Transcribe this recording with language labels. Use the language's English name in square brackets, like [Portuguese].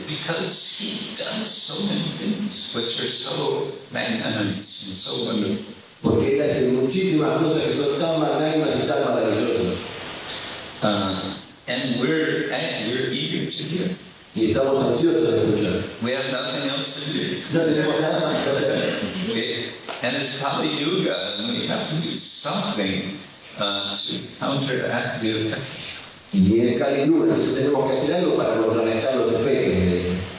[English] Because he does so many things which are so magnanimous and so wonderful. [Spanish] Porque él hace muchísimas cosas que son tan magnánimas y tan maravillosas. [English] And we're eager to hear. [Spanish] Y estamos ansiosos de escuchar. [English] We have nothing else to do. [Spanish] No tenemos nada más que hacer. [English] And it's Kali Yuga, and we have to do something to counteract the effect. [Spanish] Y es Kali Yuga, entonces tenemos que hacer algo para contrarrestar los efectos.